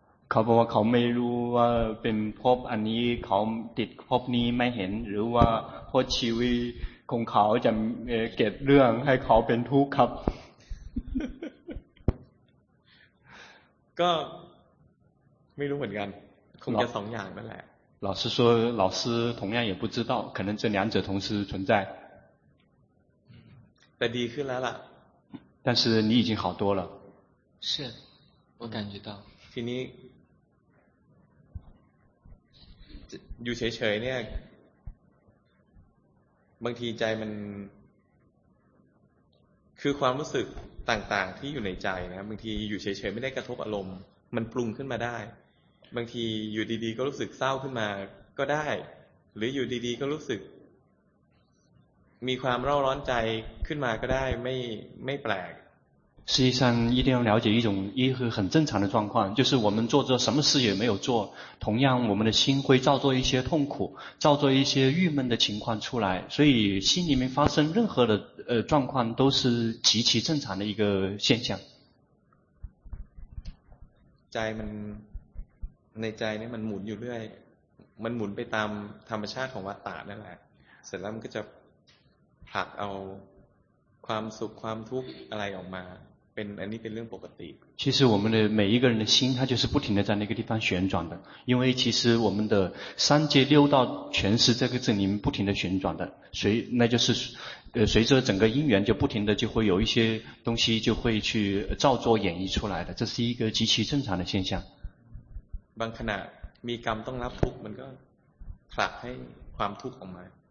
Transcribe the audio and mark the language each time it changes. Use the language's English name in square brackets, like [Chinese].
[Thai] เขาบอกว่าเขาไม่รู้ว่าเป็นภพอันนี้เขาติดภพนี้ไม่เห็นหรือว่าเพราะชีวิตของเขาจะเกิดเรื่องให้เขาเป็นทุกข์ครับ ก็ไม่รู้เหมือนกันคงจะสองอย่างนั่นแหละ [Chinese] 老师说老师同样也不知道可能这两者同时存在 [Thai] แต่ดีขึ้นแล้วล่ะ [Chinese] 但是你已经好多了是我感觉到 [Thai] ทีนี้อยู่เฉยๆเนี่ยบางทีใจมันคือความรู้สึกต่างๆที่อยู่ในใจนะบางทีอยู่เฉยๆไม่ได้กระทบอารมณ์มันปรุงขึ้นมาได้บางทีอยู่ดีๆก็รู้สึกเศร้าขึ้นมาก็ได้หรืออยู่ดีๆก็รู้สึกมีความเร่าร้อนใจขึ้นมาก็ได้ไม่แปลก [Chinese] 实际上一定要了解一种一个很正常的状况就是我们做着什么事也没有做同样我们的心会造作一些痛苦造作一些郁闷的情况出来所以心里面发生任何的状况都是极其正常的一个现象 [Thai] ใจมันในใจเนี่ยมันหมุนอยู่เรื่อยมันหมุนไปตามธรรมชาติของวัฏฏะนั่นแหละเสร็จแล้วมันก็จะผลักเอาความสุขความทุกข์อะไรออกมาเป็นอันนี้เป็นเรื่องปกติ [Chinese] 其实我们的每一个人的心它就是不停的在那个地方旋转的因为其实我们的三界六道全是这个阵里面不停的旋转的随那就是随着整个因缘就不停的就会有一些东西就会去造作演绎出来的这是一个极其正常的现象 [Thai] บางขณะมีกรรมต้องรับทุกข์มันก็ผลักให้ความทุกข์ออกมา